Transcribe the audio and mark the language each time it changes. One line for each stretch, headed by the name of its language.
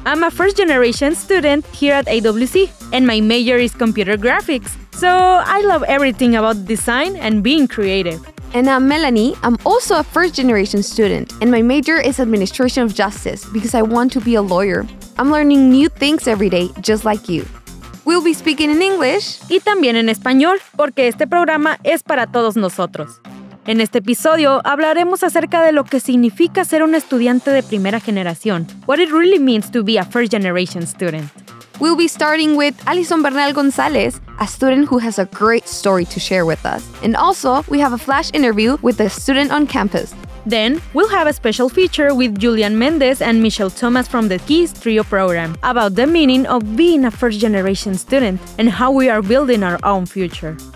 English: I'm a first-generation student here at AWC, and my major is computer graphics. So I love everything about design and being creative. And I'm Melanie. I'm also a first-generation student, and my major is administration of justice because I want to be a lawyer. I'm learning new things every day, just like you. We'll be speaking in English.
Spanish: Y también en español, porque este programa es para todos nosotros. En este episodio hablaremos acerca de lo que significa ser un estudiante de primera generación.
English: What it really means to be a first generation student. We'll be starting with Alison Bernal González, a student who has a great story to share with us. And also, we have a flash interview with a student on campus. Then, we'll have a special feature with Julian Mendez and Michelle Thomas from the KEYS Trio program about the meaning of being a first-generation student and how we are building our own future.